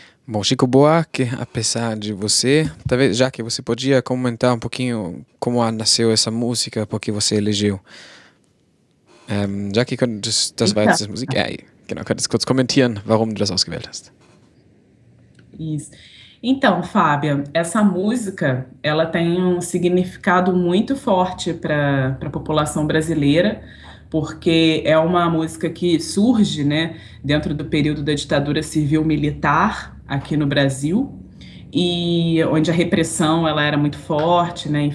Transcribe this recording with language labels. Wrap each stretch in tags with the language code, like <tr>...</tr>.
<pt>Bom, Chico Buarque, apesar de você, talvez, já que você podia comentar um pouquinho como nasceu essa música, porque você elegeu. Já que das várias músicas,</pt> <de>kannst du kurz kommentieren, warum du das ausgewählt hast.</de> <pt>Isso. Então, Fábio, essa música, ela tem um significado muito forte para a população brasileira, porque é uma música que surge, né, dentro do período da ditadura civil-militar, aqui no Brasil, e onde a repressão ela era muito forte, né?</pt>